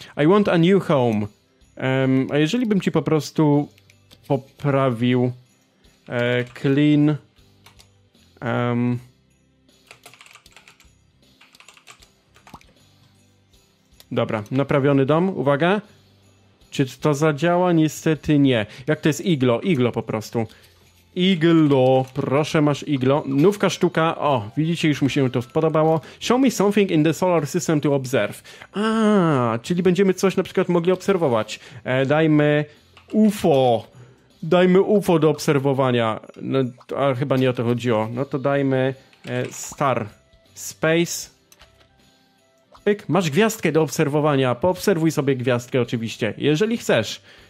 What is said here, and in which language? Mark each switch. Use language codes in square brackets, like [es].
[en] I want a new home. [pl] A jeżeli bym ci po prostu poprawił clean dobra, naprawiony dom, uwaga. Czy to zadziała? Niestety nie. Jak to jest iglo? Iglo po prostu. Iglo, proszę, masz iglo. Nówka sztuka, o, widzicie, już mu się to spodobało. [en] Show me something in the solar system to observe. [pl] A, czyli będziemy coś na przykład mogli obserwować. Dajmy UFO. Dajmy UFO do obserwowania. No, to, ale chyba nie o to chodziło. No to dajmy star. Space. Pyk, masz gwiazdkę do obserwowania. Poobserwuj sobie gwiazdkę oczywiście, jeżeli chcesz.